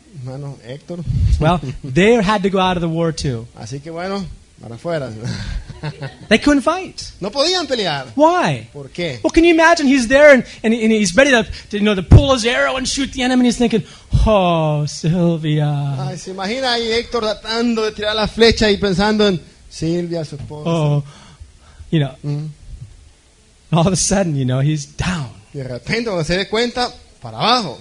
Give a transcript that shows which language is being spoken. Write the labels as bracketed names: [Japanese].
[Spanish] Mano, Héctor. [English] Well, they had to go out of the war too. [Spanish] Así que bueno, para afuera. [English] They couldn't fight. [Spanish] No podían pelear. [English] Why? [Spanish] ¿Por qué? [English] Well, can you imagine? He's there and he's ready to you know to pull his arrow and shoot the enemy. And he's thinking, oh, Silvia. [Spanish] Ay, se imagina ahí Héctor tratando de tirar la flecha y pensando en Silvia, su esposa. [English] Oh, you know. Mm-hmm. All of a sudden, you know, he's down. [Spanish] Y de repente cuando se dé cuenta, para abajo.